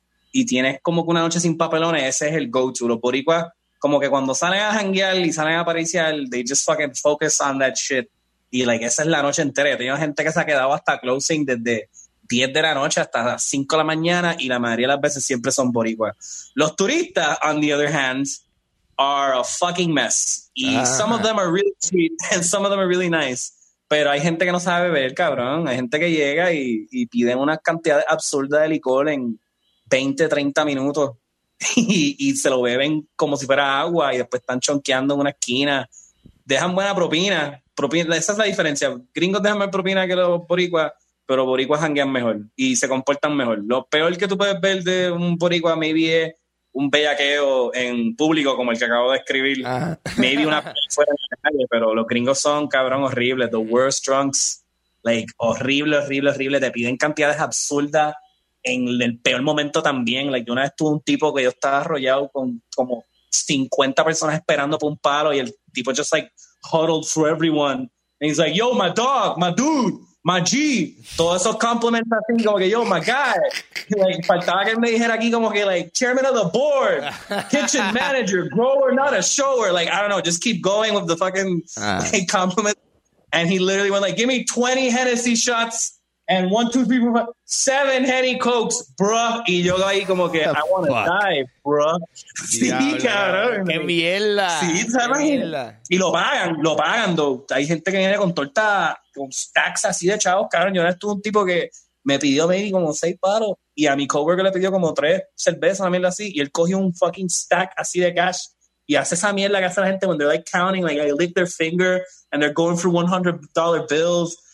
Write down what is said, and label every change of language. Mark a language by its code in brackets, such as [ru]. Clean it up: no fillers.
[es] Y tienes como que una noche sin papelones, ese es el go-to. Los boricuas, como que cuando salen a janguear y salen a apariciar, they just fucking focus on that shit. Y, like, esa es la noche entera. Yo tengo gente que se ha quedado hasta closing desde 10 de la noche hasta las 5 de la mañana, y la mayoría de las veces siempre son boricuas. [en] Los turistas, on the other hand, are a fucking mess. Y some of them are really sweet and some of them are really nice. [es] Pero hay gente que no sabe beber, cabrón. Hay gente que llega y piden una cantidad absurda de licor en 20, 30 minutos y se lo beben como si fuera agua y después están chonqueando en una esquina. Dejan buena propina. Esa es la diferencia. Gringos dejan más propina que los boricuas, pero boricuas janguean mejor y se comportan mejor. Lo peor que tú puedes ver de un boricua maybe es un bellaqueo en público como el que acabo de escribir. Maybe una fuera de la calle, pero los gringos son, cabrón, horribles. [en] The worst drunks. Like, horrible, horrible, horrible. [es] Te piden cantidades absurdas en el peor momento también. Like, yo una vez tuve un tipo que yo estaba arrollado con como 50 personas esperando por un palo, y el tipo just, like, huddled for everyone. [en] And he's like, yo, my dog, my dude, my G. Todos esos compliments así, como que, yo, my guy. Like, faltaba que me dijera aquí como que, like, chairman of the board, kitchen manager, grower, not a shower. Like, I don't know, just keep going with the fucking like, compliment. And he literally went, like, give me 20 Hennessy shots. And 1, 2, 3, 4, 5, 7 Henny Cokes, bruh. [es] Y yo ahí como que, I want to die, bruh. Sí, diablo, cabrón. Qué mierda. Sí, ¿sabes? Y lo pagan, though. Hay gente que viene con torta, con stacks así de chavos, cabrón. Yo ahora estuve un tipo que me pidió maybe como 6 paros, y a mi coworker le pidió como 3 cervezas, una mierda así, y él cogió un fucking stack así de cash. Y hace esa mierda que hace la gente when they're like counting, like I lick their finger and they're going through $100 bills.